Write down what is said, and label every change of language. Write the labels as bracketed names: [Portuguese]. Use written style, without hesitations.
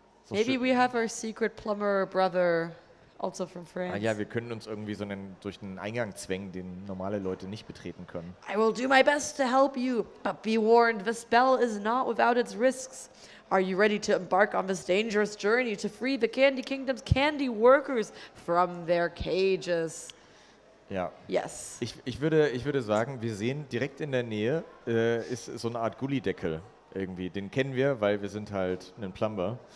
[English] Maybe we have our secret plumber brother, also from France. [German] Ah ja, wir können uns irgendwie so einen durch den Eingang zwängen, den normale Leute nicht betreten können. [English] I will do my best to help you, but be warned, the spell is not without its risks. Are you ready to embark on this dangerous journey to free the Candy Kingdom's candy workers from their cages? [German] Ja. [English] Yes. [German] Ich würde sagen, wir sehen direkt in der Nähe ist so eine Art Gullideckel. Irgendwie, den kennen wir, weil wir sind halt ein Plumber.